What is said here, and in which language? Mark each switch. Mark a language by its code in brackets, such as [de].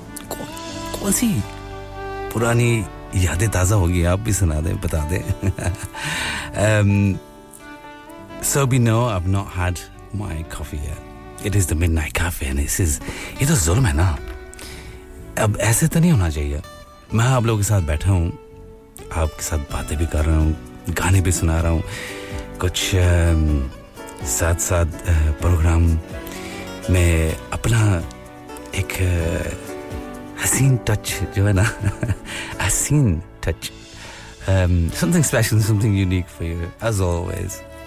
[hi] कौन सी पुरानी यादें ताज़ा होगी आप भी सुना दें बता दें. [en] So we know I've not had my coffee yet. It is the midnight cafe and this is [hi] ये तो ज़ुल्म है ना. अब ऐसे तो नहीं होना चाहिए. मैं आप लोगों के साथ बैठा हूँ, आपके साथ बातें भी कर रहा हूँ, गाने भी सुना रहा हूँ, कुछ साथ साथ प्रोग्राम में अपना एक हसीन टच जो है ना, हसीन touch, [en] Something special, something unique for you as always.